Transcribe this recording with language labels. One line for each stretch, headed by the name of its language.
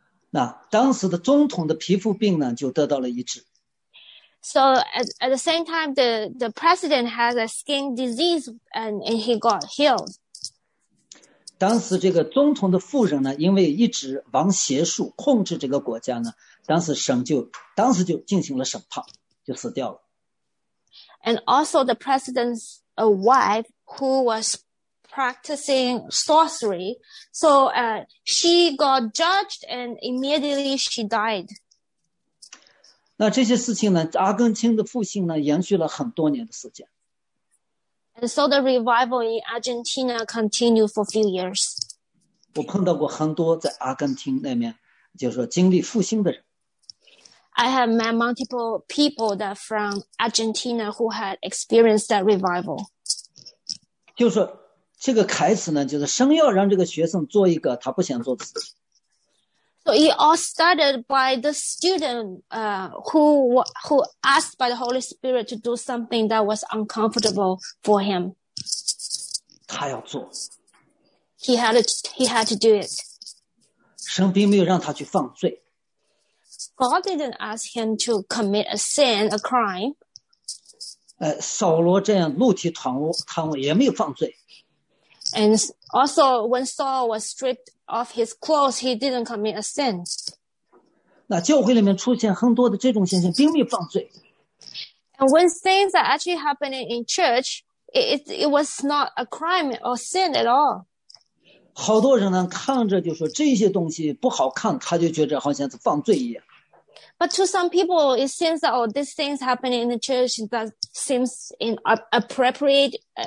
Chinese: 那当时的总统的皮肤病呢，就得到了医治。
English: So at the same time, the president has a skin disease, and he got healed.
Chinese: 当时这个总统的夫人呢，因为一直往邪术控制这个国家呢，当时神就当时就进行了审判，就死掉了。
English: And also the president's wife who was practicing sorcery, so she got judged and immediately she died.
Chinese: 那这些事情呢，阿根廷的复兴呢，延续了很多年的时间。
English: And so the revival in Argentina continued for a few years.
Chinese: 我碰到过很多在阿根廷那边，就是说经历复兴的人。
English: I have met multiple people that from Argentina who had experienced that revival.
Chinese: 就是这个开始呢，就是神要让这个学生做一个他不想做的事情。
English: So it all started by the student, who asked by the Holy Spirit to do something that was uncomfortable for him.
Chinese: 他要做。
English: He had to do it.
Chinese: 神并没有让他去犯罪。
English: God didn't ask him to commit a sin, a crime.
Chinese: 扫罗这样肉体贪污也没有犯罪。
English: And also, when Saul was stripped of his clothes, he didn't commit a sin.
Chinese: 那教会里面出现很多的这种现象，并没有犯罪。
English: And when things are actually happening in church, it was not a crime or sin at all.
Chinese: 好多人呢看着就说这些东西不好看，他就觉得好像是犯罪一样。
English: But to some people, it seems that all these things happening in the church that seems inappropriate.